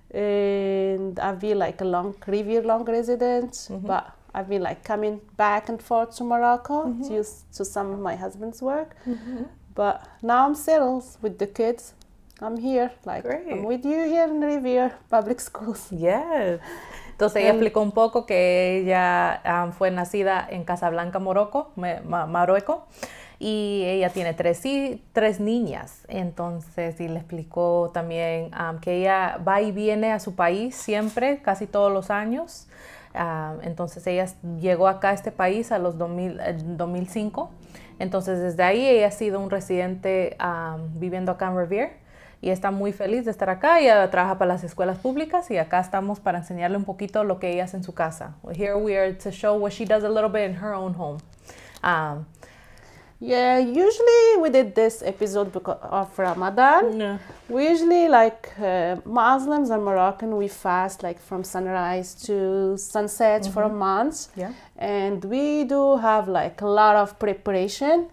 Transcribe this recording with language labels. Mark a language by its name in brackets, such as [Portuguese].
[English] And I've been like a long resident, but I've been like coming back and forth to Morocco to some of my husband's work. But now I'm settled with the kids. I'm here, like, I'm with you here in Revere Public Schools. Yeah. [Spanish] Entonces ella explicó un poco que ella fue nacida en Casablanca, Marruecos. Y ella tiene tres niñas, entonces, y le explicó también que ella va y viene a su país siempre, casi todos los años. Entonces ella llegó acá a este país a los 2005, entonces desde ahí ella ha sido un residente viviendo acá en Revere, y está muy feliz de estar acá. Ella trabaja para las escuelas públicas, y acá estamos para enseñarle un poquito lo que ella hace en su casa. [English] Well, here we are to show what she does a little bit in her own home. Yeah, usually we did this episode because of Ramadan. Yeah. We usually, like, Muslims and Moroccan, we fast, like, from sunrise to sunset for a month. Yeah. And we do have, like, a lot of preparation.